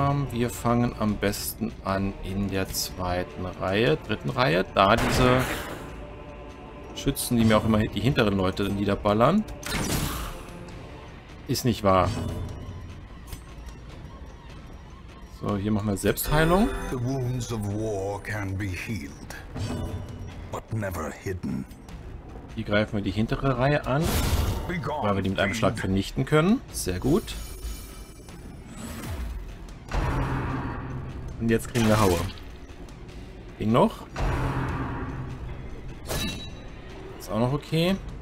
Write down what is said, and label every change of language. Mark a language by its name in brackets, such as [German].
[German] Wir fangen am besten an in der zweiten Reihe, dritten Reihe. Da diese Schützen, die mir auch immer die hinteren Leute niederballern. Ist nicht wahr. So, hier machen wir Selbstheilung. [English] The wounds of war can be healed, but never hidden. [German] Hier greifen wir die hintere Reihe an. Weil wir die mit einem Schlag vernichten können. Sehr gut. Und jetzt kriegen wir Haue. Ging noch. Ist auch noch okay.